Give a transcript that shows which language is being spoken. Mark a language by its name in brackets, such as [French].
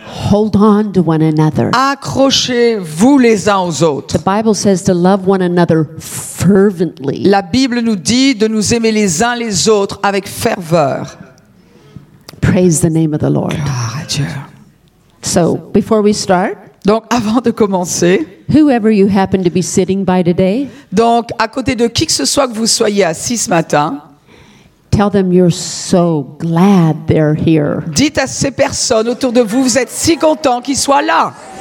[English] Hold on to one another. [French] Accrochez-vous les uns aux autres. [English] The Bible says to love one another fervently. [French] La Bible nous dit de nous aimer les uns les autres avec ferveur. [English] Praise the name of the Lord. [French] Gloire à Dieu. [English] So, before we start, [French] donc avant de commencer, [English] whoever you happen to be sitting by today, [French] donc à côté de qui que ce soit que vous soyez assis ce matin, [English] tell them you're so glad they're here. [French] Dites à ces personnes autour de vous, vous êtes si contents qu'ils soient là.